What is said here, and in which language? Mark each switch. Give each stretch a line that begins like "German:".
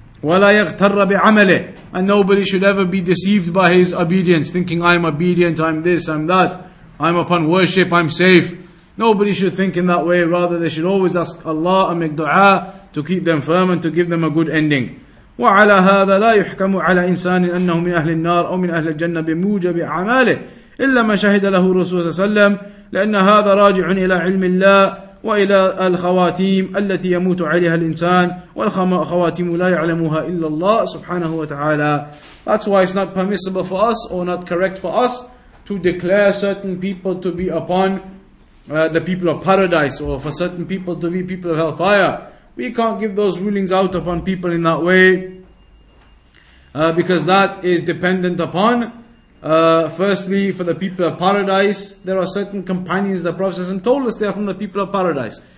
Arabic: وَلَا يَغْتَرَّ بِعَمَلِهِ.
English: And nobody should ever be deceived by his obedience, thinking, I'm obedient, I'm this, I'm that, I'm upon worship, I'm safe. Nobody should think in that way. Rather, they should always ask Allah and make dua to keep them firm and to give them a good ending.
Arabic: وعلى هذا لا يحكم على إنسان أنه من أهل النار أو من أهل الجنة بموجب أعماله إلا ما شهد له الرسول صلى الله عليه وسلم لأن هذا راجع إلى علم الله وإلى الخواتيم التي يموت عليها الإنسان والخواتيم لا يعلمها إلا الله سبحانه وتعالى.
English: That's why it's not permissible for us, or not correct for us, to declare certain people to be upon the people of paradise, or for certain people to be people of hellfire. We can't give those rulings out upon people in that way, because that is dependent upon, firstly, for the people of paradise, there are certain companions the Prophet ﷺ told us they are from the people of paradise.